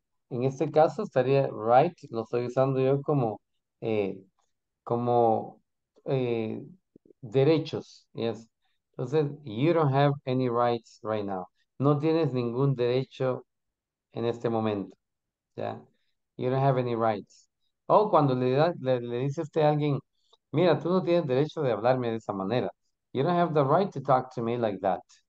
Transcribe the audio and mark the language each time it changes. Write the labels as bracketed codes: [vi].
[es] En este caso estaría right, lo estoy usando yo como derechos, yes. [en] Entonces, you don't have any rights right now. [es] No tienes ningún derecho en este momento. ¿Ya? [en] You don't have any rights. [es] O cuando le dice usted a alguien, mira, tú no tienes derecho de hablarme de esa manera. [en] You don't have the right to talk to me like that.